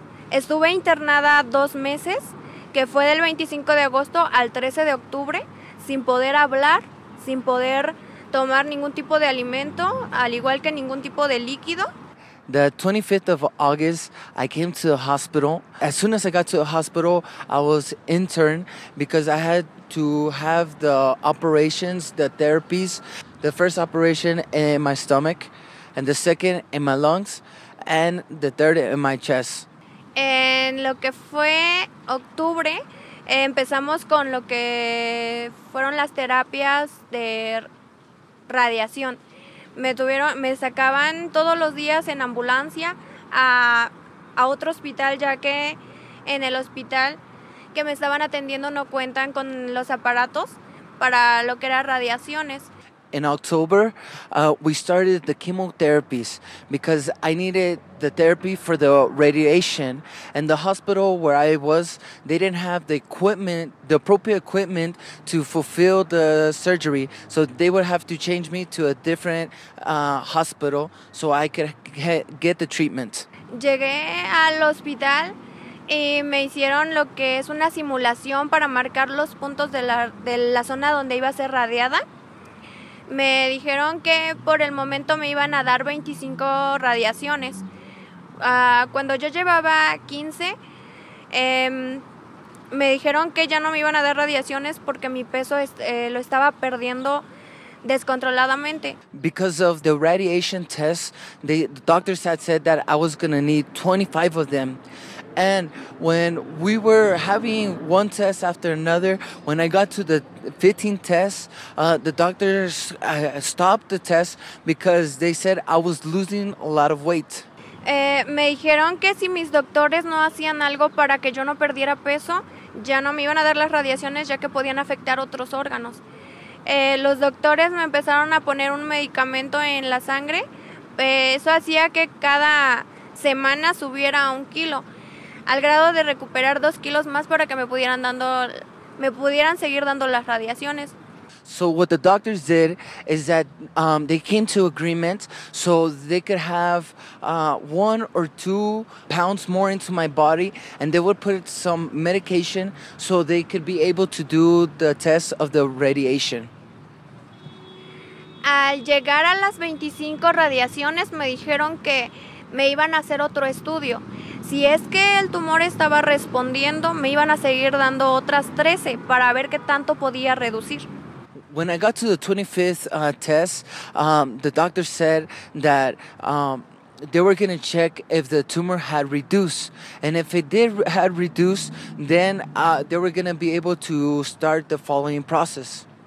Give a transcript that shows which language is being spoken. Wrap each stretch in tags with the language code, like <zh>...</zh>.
<es>Estuve internada 2 meses, que fue del 25 de agosto al 13 de octubre, sin poder hablar, sin poder tomar ningún tipo de alimento, al igual que ningún tipo de líquido.</es> <en>The 25th of August, I came to the hospital. As soon as I got to the hospital, I was intern because I had to have the operations, the therapies. The first operation in my stomach, and the second in my lungs, and the third in my chest.</en> <es>En lo que fue octubre, empezamos con lo que fueron las terapias de radiación. Me sacaban todos los días en ambulancia a otro hospital, ya que en el hospital que me estaban atendiendo no cuentan con los aparatos para lo que eran radiaciones.</es> <en>In October, we started the chemotherapies because I needed the therapy for the radiation. And the hospital where I was, they didn't have the equipment, the appropriate equipment to fulfill the surgery. So they would have to change me to a different hospital so I could get the treatment.</en> <es>Llegué al hospital y me hicieron lo que es una simulación para marcar los puntos de la zona donde iba a ser radiada. Me dijeron que por el momento me iban a dar 25 radiaciones. Cuando yo llevaba 15, me dijeron que ya no me iban a dar radiaciones porque mi peso lo estaba perdiendo descontroladamente.</es> <en>Because of the radiation tests, the doctors had said that I was going to need 25 of them. And when we were having one test after another, when I got to the 15th test, the doctors stopped the test because they said I was losing a lot of weight.</en> <es>Me dijeron que si mis doctores no hacían algo para que yo no perdiera peso, ya no me iban a dar las radiaciones ya que podían afectar otros órganos. Los doctores me empezaron a poner un medicamento en la sangre. Eso hacía que cada semana subiera a 1 kilo. Al grado de recuperar 2 kilos más para que me pudieran seguir dando las radiaciones.</es> <en>So what the doctors did is that they came to agreement so they could have 1 or 2 pounds more into my body, and they would put some medication so they could be able to do the test of the radiation.</en> <es>Al llegar a las 25 radiaciones me dijeron que me iban a hacer otro estudio. Si es que el tumor estaba respondiendo, me iban a seguir dando otras 13 para ver qué tanto podía reducir.</es> <en>When I got to the 25th test, the doctor said that they were going to check if the tumor had reduced. And if it did had reduced, then they were going to be able to start the following process.</en>